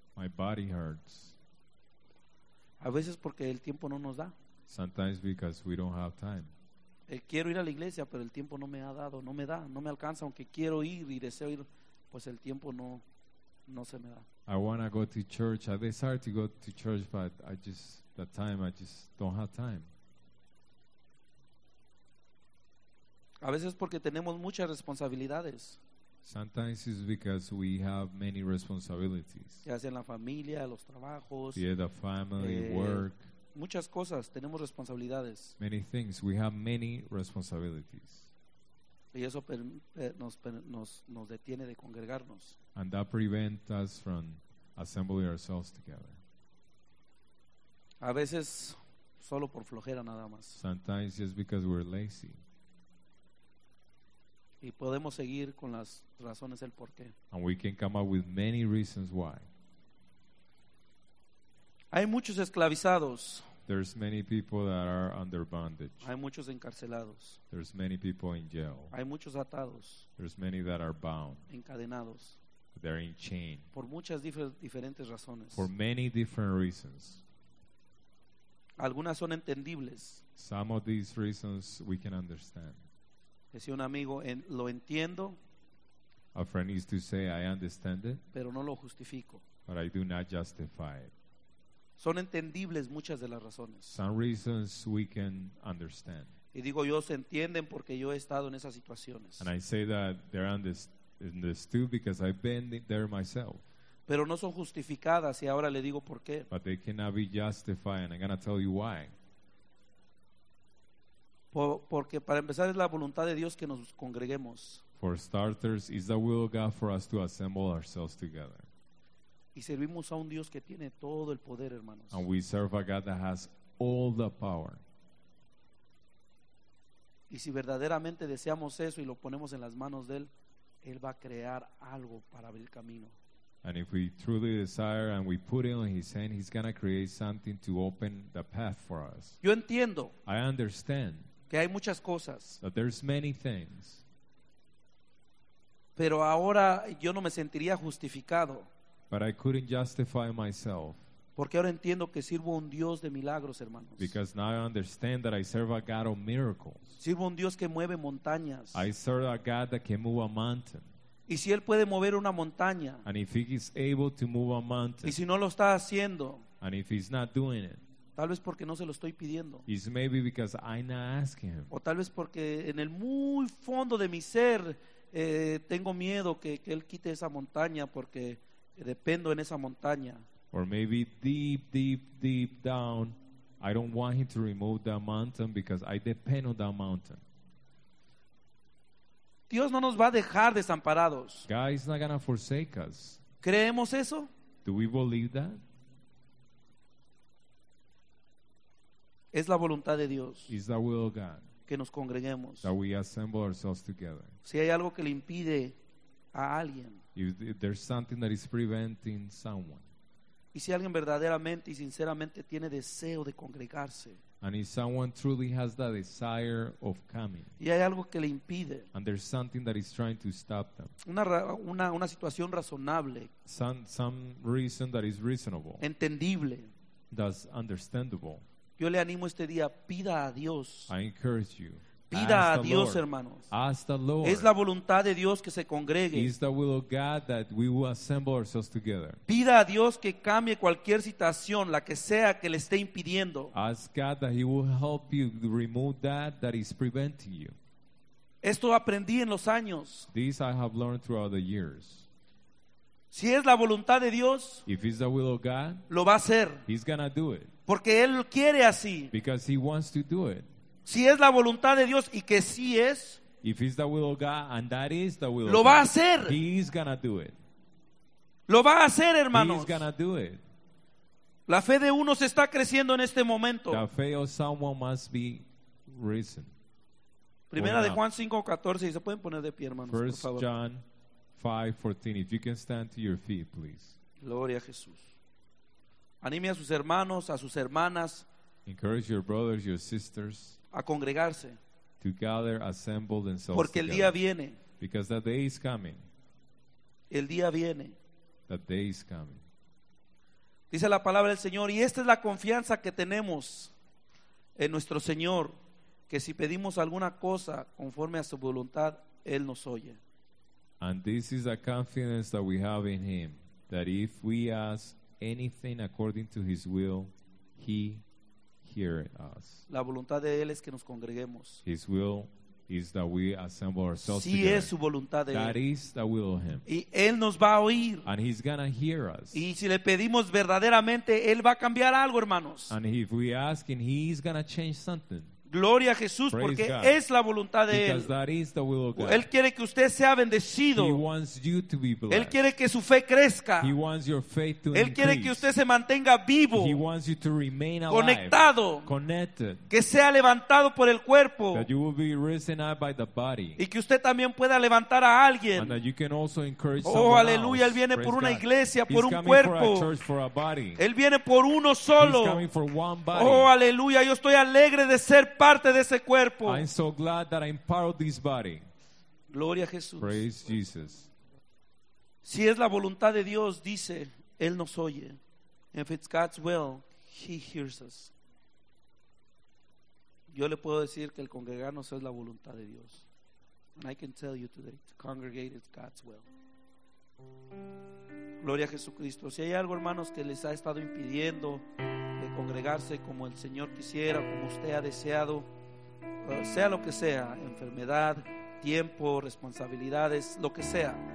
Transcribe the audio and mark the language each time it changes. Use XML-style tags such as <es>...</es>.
<en>My body hurts.</en> <es>A veces porque el tiempo no nos da.</es> <en>Sometimes because we don't have time.</en> <es>Quiero ir a la iglesia, pero el tiempo no me ha dado, no me da, no me alcanza, aunque quiero ir y deseo ir, pues el tiempo no se me da.</es> <en>I want to go to church. I desire to go to church, but I just don't have time.</en> <es>A veces porque tenemos muchas responsabilidades.</es> <en>Sometimes it's because we have many responsibilities.</en> <es>Ya sea en la familia, los trabajos.</es> <en>Yeah, the family, work.</en> <es>muchas cosas, tenemos responsabilidades.</es> <en>Many things, we have many responsibilities.</en> <es>Y eso nos detiene de congregarnos.</es> <en>And that prevents us from assembling ourselves together.</en> <es>A veces solo por flojera nada más.</es> <en>Sometimes just because we're lazy.</en> <es>Y podemos seguir con las razones del porqué.</es> <en>And we can come up with many reasons why.</en> <es>Hay muchos esclavizados.</es> <en>There's many people that are under bondage.</en> <es>Hay muchos encarcelados.</es> <en>There's many people in jail.</en> <es>Hay muchos atados.</es> <en>There's many that are bound.</en> <es>Encadenados.</es> <en>They're in chain.</en> <es>Por muchas diferentes razones.</es> <en>For many different reasons.</en> <es>Algunas son entendibles.</es> <en>Some of these reasons we can understand.</en> <es>Decía un amigo, lo entiendo.</es> <en>A friend used to say, I understand it.</en> <es>Pero no lo justifico.</es> <en>But I do not justify it.</en> <es>Son entendibles muchas de las razones.</es> <en>Some reasons we can understand.</en> <es>Y digo yo, se entienden porque yo he estado en esas situaciones.</es> <en>And I say that they're understood because I've been there myself.</en> <es>Pero no son justificadas y ahora le digo por qué.</es> <en>But they cannot be justified, and I'm going to tell you why.</en> <es>Porque para empezar es la voluntad de Dios que nos congreguemos.</es> <en>For starters, it's the will of God for us to assemble ourselves together.</en> <es>Y servimos a un Dios que tiene todo el poder, hermanos.</es> <en>And we serve a God that has all the power.</en> <es>Y si verdaderamente deseamos eso y lo ponemos en las manos de Él, Él va a crear algo para abrir el camino.</es> <en>And if we truly desire and we put it on His hand, He's going to create something to open the path for us.</en> <es>Yo entiendo.</es> <en>I understand.</en> <es>Que hay muchas cosas.</es> <en>That there's many things.</en> <es>Pero ahora yo no me sentiría justificado.</es> <en>But I couldn't justify myself.</en> <es>Porque ahora entiendo que sirvo un Dios de milagros, hermanos.</es> <en>Because now I understand that I serve a God of miracles.</en> <es>Sirvo un Dios que mueve montañas.</es> <en>I serve a God that can move a mountain.</en> <es>Y si Él puede mover una montaña.</es> <en>And if He is able to move a mountain.</en> <es>Y si no lo está haciendo.</es> <en>And if He's not doing it.</en> <es>Tal vez porque no se lo estoy pidiendo.</es> <en>It's maybe because I'm not asking Him.</en> <es>O tal vez porque en el muy fondo de mi ser tengo miedo que Él quite esa montaña porque dependo en esa montaña.</es> <en>Or maybe deep down, I don't want Him to remove that mountain because I depend on that mountain.</en> <es>Dios no nos va a dejar desamparados.</es> <en>God is not going to forsake us.</en> <es>¿Creemos eso?</es> <en>Do we believe that?</en> <es>Es la voluntad de Dios.</es> <en>It's the will of God.</en> <es>Que nos congreguemos.</es> <en>That we assemble ourselves together.</en> <es>Si hay algo que le impide a alguien.</es> <en>If there's something that is preventing someone.</en> <es>Y si alguien verdaderamente y sinceramente tiene deseo de congregarse.</es> <en>And if someone truly has the desire of coming.</en> <es>Y hay algo que le impide.</es> <en>And there's something that is trying to stop them.</en> <es>Una situación razonable.</es> <en>Some reason that is reasonable.</en> <es>Entendible.</es> <en>That's understandable.</en> <es>Yo le animo este día, pida a Dios.</es> <en>I encourage you.</en> <es>Pida a Dios, hermanos.</es> <en>Ask the Lord.</en> <es>Es la voluntad de Dios que se congregue.</es> <en>It's the will of God that we will assemble ourselves together.</en> <es>Pida a Dios que cambie cualquier situación, la que sea que le esté impidiendo.</es> <en>Ask God that He will help you remove that is preventing you.</en> <es>Esto aprendí en los años.</es> <en>This I have learned throughout the years.</en> <es>Si es la voluntad de Dios,</es> <en>if it's the will of God,</en> <es>lo va a hacer.</es> <en>He's gonna do it.</en> <es>Porque Él quiere así.</es> <en>Because He wants to do it.</en> <es>Si es la voluntad de Dios y que sí es,</es> <en>if it's the will of God and that is the will</en> <es>lo</es> <en>of</en> <es>va</es> <en>God,</en> <es>a hacer.</es> <en>He is gonna do it.</en> <es>Lo va a hacer, hermanos.</es> <en>He is gonna do it.</en> <es>La fe de uno se está creciendo en este momento.</es> <en>The faith of someone must be risen.</en> <es>Primera de Juan 5:14, y se pueden poner de pie, hermanos, por favor.</es> <en>1 John 5:14, if you can stand to your feet, please.</en> <es>Gloria a Jesús. Anime a sus hermanos, a sus hermanas.</es> <en>Encourage your brothers, your sisters.</en> <es>A congregarse.</es> <en>To gather, assemble themselves.</en> <es>Porque el</es> <en>together.</en> <es>Día viene.</es> <en>Because the day is coming.</en> <es>El día viene.</es> <en>The day is coming.</en> <es>Dice la palabra del Señor, y esta es la confianza que tenemos en nuestro Señor, que si pedimos alguna cosa conforme a su voluntad, Él nos oye.</es> <en>And this is the confidence that we have in Him, that if we ask anything according to His will, He hear us.</en> <es>La voluntad de Él es que nos congreguemos.</es> <en>His will is that we assemble ourselves</en> <es>si</es> <en>together.</en> <es>Es su voluntad de él.</es> <en>That is the will of him.</en> <es>Y él nos va a oír.</es> <en>And he's going to hear us.</en> <es>Y si le pedimos verdaderamente, él va a cambiar algo, hermanos.</es> <en>And if we ask him, he's going to change something.</en> <es>Gloria a Jesús,</es> <en>praise</en> <es>porque</es> <en>God.</en> <es>Es la voluntad de</es> <en>because</en> <es>él.</es> <en>That is the will of God.</en> <es>Él quiere que usted sea bendecido.</es> <en>He wants you to be blessed.</en> <es>Él quiere que su fe crezca.</es> <en>He wants your faith to</en> <es>él</es> <en>increase.</en> <es>Quiere que usted se mantenga vivo.</es> <en>He wants you to remain alive,</en> <es>conectado.</es> <en>Connected.</en> <es>Que sea levantado por el cuerpo.</es> <en>That you will be risen up by the body.</en> <es>Y que usted también pueda levantar a alguien.</es> <en>And that you can also encourage someone else.</en> <es>Aleluya, él viene</es> <en>praise</en> <es>por una</es> <en>God.</en> <es>Iglesia,</es> <en>he's</en> <es>por un cuerpo.</es> <en>For a church, for a body.</en> <es>Él viene por uno solo.</es> <en>He's coming for one body.</en> <es>Aleluya, yo estoy alegre de ser parte de ese cuerpo.</es> <en>I'm so glad that I'm part of this body.</en> <es>Gloria a Jesús.</es> <en>Praise Jesus.</en> <es>Si es la voluntad de Dios, dice, él nos oye.</es> <en>If it's God's will, he hears us.</en> <es>Yo le puedo decir que el congregarnos es la voluntad de Dios.</es> <en>And I can tell you today, to congregate is God's will.</en> <es>Gloria a Jesucristo. Si hay algo, hermanos, que les ha estado impidiendo de congregarse como el Señor quisiera, como usted ha deseado, sea lo que sea, enfermedad, tiempo, responsabilidades, lo que sea.</es>